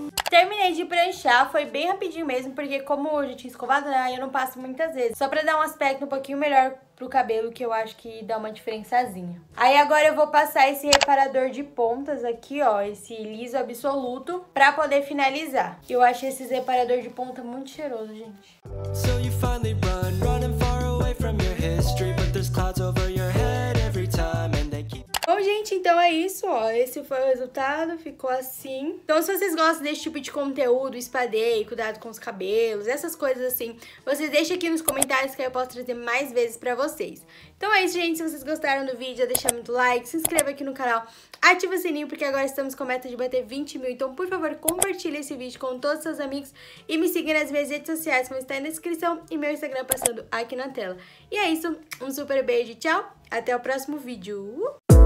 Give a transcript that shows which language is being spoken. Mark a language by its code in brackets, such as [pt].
[pt] Terminei de pranchar, foi bem rapidinho mesmo, porque como eu já tinha escovado, né, eu não passo muitas vezes. Só pra dar um aspecto um pouquinho melhor pro cabelo, que eu acho que dá uma diferençazinha. Aí agora eu vou passar esse reparador de pontas aqui, ó, esse liso absoluto, pra poder finalizar. Eu achei esse reparador de ponta muito cheiroso, gente. [en] So you finally run, running far away from your history, but there's clouds over your head every time. [pt] Bom, gente, então é isso, ó, esse foi o resultado, ficou assim. Então, se vocês gostam desse tipo de conteúdo, espadeio, cuidado com os cabelos, essas coisas assim, vocês deixem aqui nos comentários que aí eu posso trazer mais vezes pra vocês. Então é isso, gente, se vocês gostaram do vídeo, deixa muito like, se inscreva aqui no canal, ativa o sininho, porque agora estamos com a meta de bater 20 mil, então, por favor, compartilhe esse vídeo com todos os seus amigos e me siga nas minhas redes sociais, como está aí na descrição e meu Instagram passando aqui na tela. E é isso, um super beijo, tchau, até o próximo vídeo.